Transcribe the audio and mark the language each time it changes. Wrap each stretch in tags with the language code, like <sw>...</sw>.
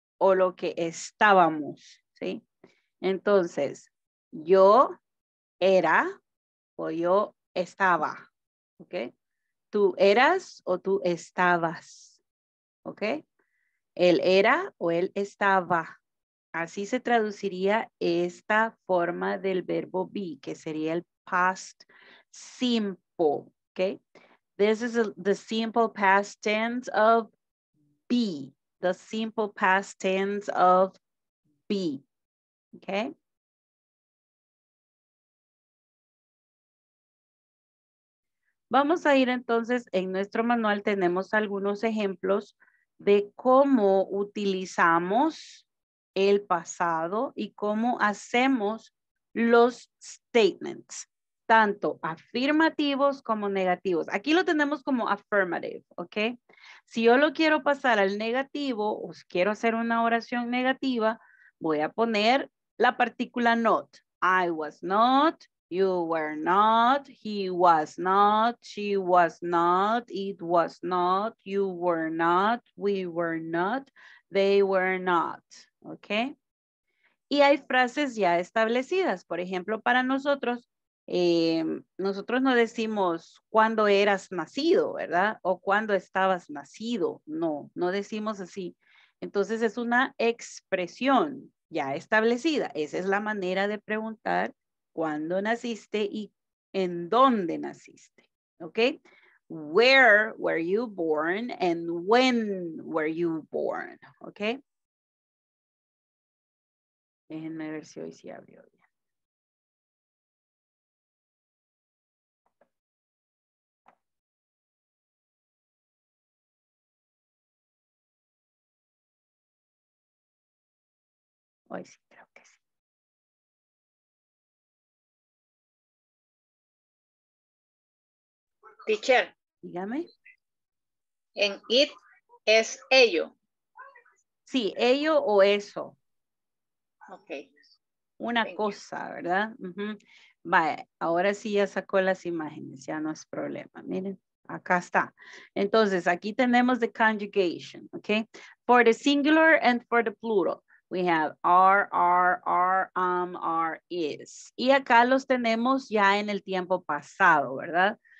<es>o lo que estábamos, ¿sí? Entonces, yo era o yo estaba, ¿ok? Tú eras o tú estabas, ¿ok? Él era o él estaba. Así se traduciría esta forma del verbo be, que sería el past simple, ¿ok?</es> <en>This is the simple past tense of be. The simple past tense of be, ¿ok?</en> <es>Vamos a ir entonces, en nuestro manual tenemos algunos ejemplos de cómo utilizamos el pasado y cómo hacemos los statements, tanto afirmativos como negativos. Aquí lo tenemos como affirmative, ¿ok? Si yo lo quiero pasar al negativo o quiero hacer una oración negativa, voy a poner la partícula not.</es> <en>I was not, you were not, he was not, she was not, it was not, you were not, we were not, they were not.</en> <es>¿Ok? Y hay frases ya establecidas. Por ejemplo, para nosotros, nosotros no decimos cuándo eras nacido, ¿verdad? O cuándo estabas nacido. No, no decimos así. Entonces es una expresión ya establecida. Esa es la manera de preguntar cuándo naciste y en dónde naciste. ¿Ok?</es> <en>Where were you born and when were you born?</en> <es>¿Ok? Déjenme ver si hoy sí abrió bien. Hoy sí, creo que sí.</es> <en>Teacher.</en> <es>Dígame. En it es ello. Sí, ello o eso.</es> <en>Okay.</en> <es>Una cosa, ¿verdad? Uh-huh. Vale, ahora sí ya sacó las imágenes, ya no es problema. Miren, acá está. Entonces, aquí tenemos</es> <en>the conjugation, okay? For the singular and for the plural, we have are, is.</en> <es>Y acá los tenemos ya en el tiempo pasado, ¿verdad?</es>